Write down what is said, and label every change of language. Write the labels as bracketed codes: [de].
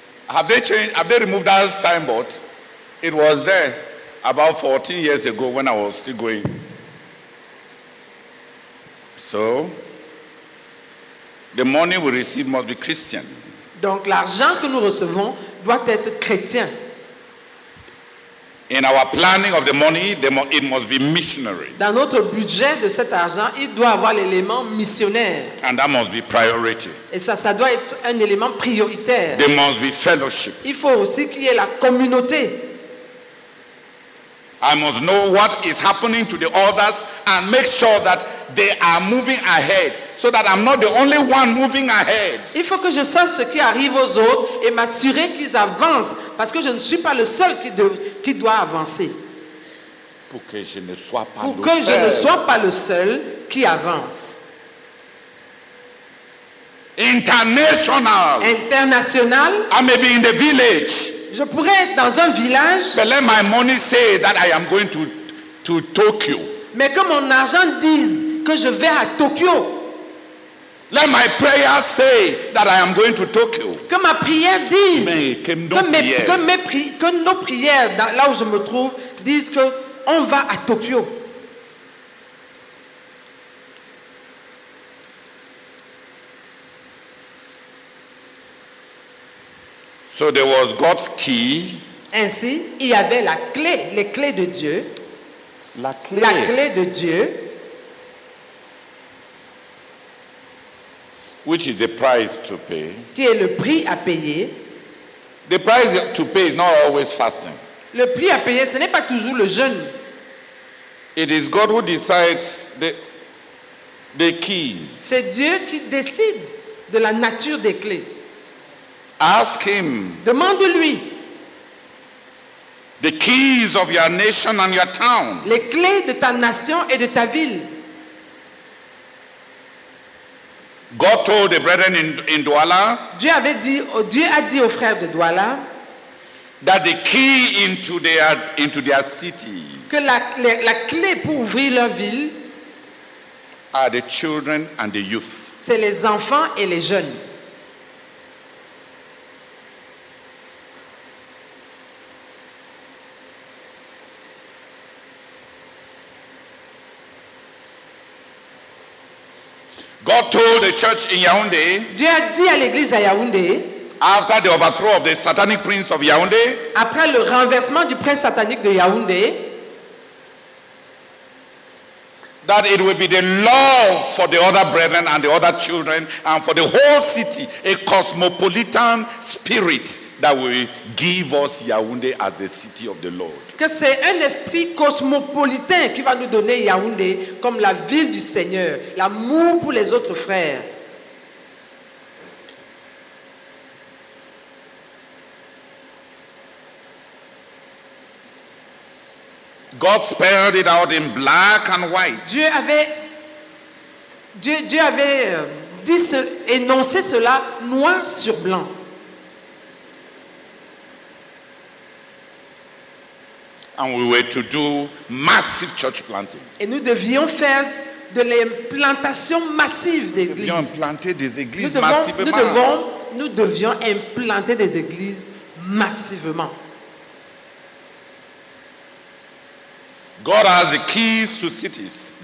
[en] Have they changed? Have they removed that signboard? It was there about 14 years ago when I was still going. So, the money we receive must be Christian. [fr] Donc l'argent que nous recevons doit être chrétien. [en] In our planning of the money, it must be missionary. [fr] Dans notre budget de cet argent, il doit avoir l'élément missionnaire. [en] And that must be priority. [fr] Et ça doit être un élément prioritaire. [en] There must be fellowship. [fr] Il faut aussi qu'il y ait la communauté. [en] I must know what is happening to the others and make sure that they are moving ahead so that I'm not the only one moving ahead. [fr] Il faut que je sache ce qui arrive aux autres et m'assurer qu'ils avancent parce que je ne suis pas le seul qui doit avancer. Pour que je ne sois pas pour que je ne sois pas le seul qui avance. [en] International. I may be in the village. [fr] Je pourrais être dans un village. [en] But let my money say that I am going to Tokyo. [fr] Mais que mon argent dise que je vais à Tokyo. [en] Let my prayer say that I am going to Tokyo. [fr] Que ma prière dise. Que nos prières dans, là où je me trouve disent que on va à Tokyo. [en] So there was God's key. [fr] Ainsi, il y avait la clé, les clés de Dieu. La clé de Dieu. [en] Which is the price to pay. [fr] Qui est le prix à payer. [en] The price to pay is not always fasting. [fr] Le prix à payer, ce n'est pas toujours le jeûne. [en] It is God who decides the keys. [fr] C'est Dieu qui décide de la nature des clés. [en] Ask him. [fr] Demande-lui. [en] The keys of your nation and your town. [fr] Les clés de ta nation et de ta ville. [en] God told the brethren in Douala. [fr] Dieu a dit aux frères de Douala. [en] That the key into their city. [fr] Que la clé pour ouvrir leur ville. [en] Are the children and the youth. [fr] C'est les enfants et les jeunes. [en] God told the church in Yaoundé. [fr] Dieu a dit à l'église à Yaoundé. [en] After the overthrow of the satanic prince of Yaoundé. [fr] Après le renversement du prince satanique de Yaoundé. [en] That it will be the love for the other brethren and the other children and for the whole city, a cosmopolitan spirit that will give us Yaoundé as the city of the Lord. [fr] Que c'est un esprit cosmopolitain qui va nous donner Yaoundé comme la ville du Seigneur, l'amour pour les autres frères. [en] God spelled it out in black and white. [fr] Dieu avait énoncé cela noir sur blanc. [en] And we were to do massive church planting. [fr] Et nous devions faire de l'implantation massive d'églises. Nous devions implanter des églises massivement. Nous devions implanter des églises massivement. [en] God has the keys to cities.